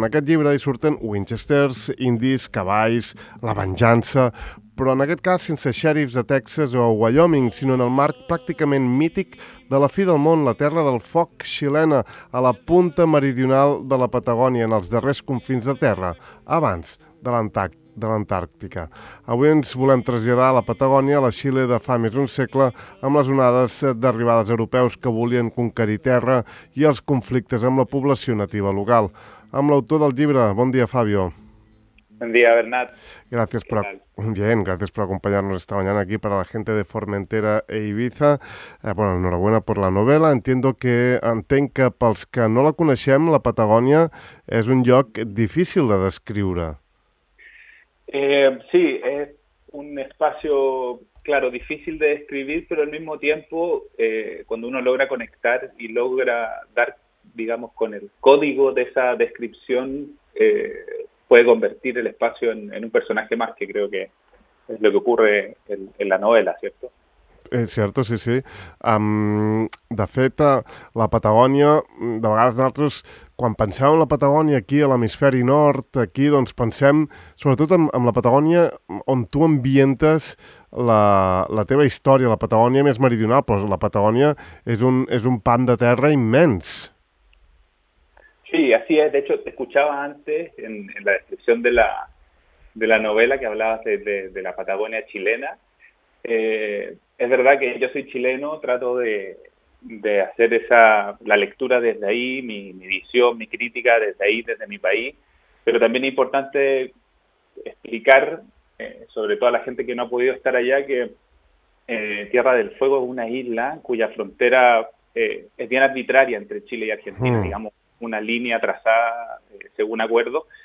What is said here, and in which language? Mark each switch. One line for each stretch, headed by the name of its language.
Catalan: En aquest llibre hi surten Winchesters, indis, cavalls, la venjança, però en aquest cas sense xèrifs de Texas o Wyoming, sinó en el marc pràcticament mític de la fi del món, la terra del foc xilena, a la punta meridional de la Patagònia, en els darrers confins de terra, abans de l'Antàrtica. Avui ens volem traslladar a la Patagònia, a la Xile de fa més d'un segle, amb les onades d'arribades europeus que volien conquerir terra i els conflictes amb la població nativa local. Amb l'autor del llibre, bon dia, Fabio. Bon dia, Bernat. Gràcies per...
Spanish: Bien, gracias por acompañarnos esta mañana aquí para la gente de Formentera e Ibiza. Bueno, enhorabuena por la novela.
Catalan: Entenc que pels que no la coneixem, la Patagònia és un lloc difícil de descriure.
Spanish: Sí, es un espacio, claro, difícil de describir, pero al mismo tiempo, cuando uno logra conectar y logra dar, digamos, con el código de esa descripción, puede convertir el espacio en un personaje más, que creo que es lo que ocurre en la novela, ¿cierto?
Catalan: És cert, sí, sí. De fet, la Patagònia, de vegades nosaltres, quan pensem en la Patagònia aquí, a l'hemisferi nord, aquí, doncs pensem sobretot en la Patagònia on tu ambientes la teva història, la Patagònia més meridional, però la Patagònia és un pam de terra immens.
Spanish: Sí, así es. De hecho, te escuchaba antes en la descripción de la novela que hablabas de la Patagònia chilena. Es verdad que yo soy chileno, trato de hacer la lectura desde ahí, mi visión, mi crítica desde ahí, desde mi país, pero también es importante explicar, sobre todo a la gente que no ha podido estar allá, que Tierra del Fuego es una isla cuya frontera es bien arbitraria entre Chile y Argentina, digamos, una línea trazada según acuerdo.